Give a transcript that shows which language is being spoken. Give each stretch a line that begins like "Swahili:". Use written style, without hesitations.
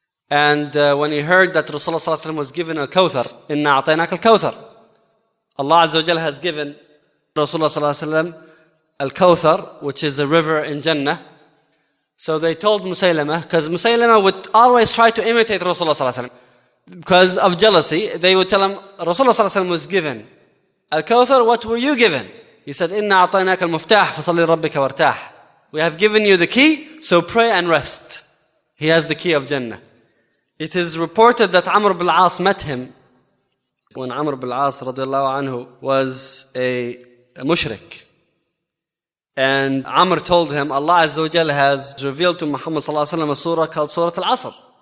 English: And when he heard that Rasulullah was given a kawthar,
Arabic: إِنَّا عَطَيْنَاكَ الْكَوْثَرِ,
English: Allah Azza wa Jalla has given Rasulullah al-Kawthar, which is a river in Jannah. So they told Musaylama, because Musaylama would always try to imitate Rasulullah because of jealousy. They would tell him, Rasulullah was given al-Kawthar, what were you given? He said,
Arabic: إِنَّا عَطَيْنَاكَ الْمُفْتَاحَ فَصَلِّ رَبِّكَ وَارْتَاحَ.
English: We have given you the key, so pray and rest. He has the key of Jannah. It is reported that Amr ibn al-As met him when Amr ibn al-As radiallahu anhu was a mushrik. And Amr told him, Allah Azza wa Jal has revealed to Muhammad sallallahu alayhi wa sallam a surah called Surah Al-Asr.